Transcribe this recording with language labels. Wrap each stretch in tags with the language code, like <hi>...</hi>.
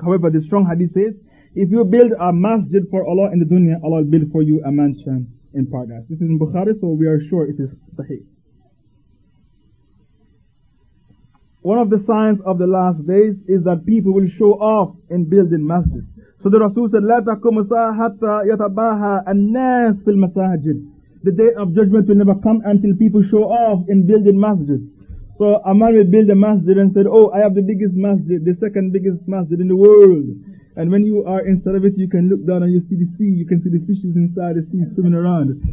<en>However, the strong hadith says, if you build a masjid for Allah in the dunya, Allah will build for you a mansion in paradise. This is in Bukhari, so we are sure it is sahih. One of the signs of the last days is that people will show off in building masjids. So the Rasul said,</en> <ar>لا تقوم الساعة حتى يتباهى الناس في المساجد.</ar> <en>The day of judgment will never come until people show off in building masjids. So a man will build a masjid and said, oh, I have the biggest masjid, the second biggest masjid in the world. And when you are inside of it, you can look down and you see the sea. You can see the fishes inside the sea swimming around.</en>